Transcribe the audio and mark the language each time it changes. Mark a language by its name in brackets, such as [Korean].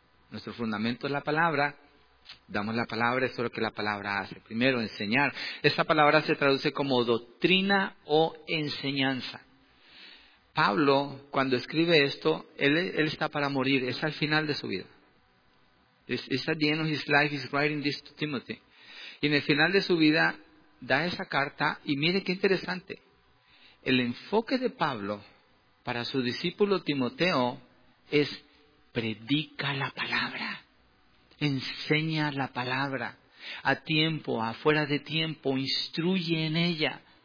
[Spanish] Nuestro fundamento es la palabra, damos la palabra, eso es lo que la palabra hace. Primero, enseñar. Esta palabra se traduce como doctrina o enseñanza. Pablo, cuando escribe esto, él está para morir, es al final de su vida. [English] It's at the end of his life, he's writing this to Timothy. [Spanish] Y en el final de su vida, da esa carta, y mire qué interesante. El enfoque de Pablo para su discípulo Timoteo es predica la palabra. Enseña la palabra a tiempo, afuera de tiempo, instruye en ella.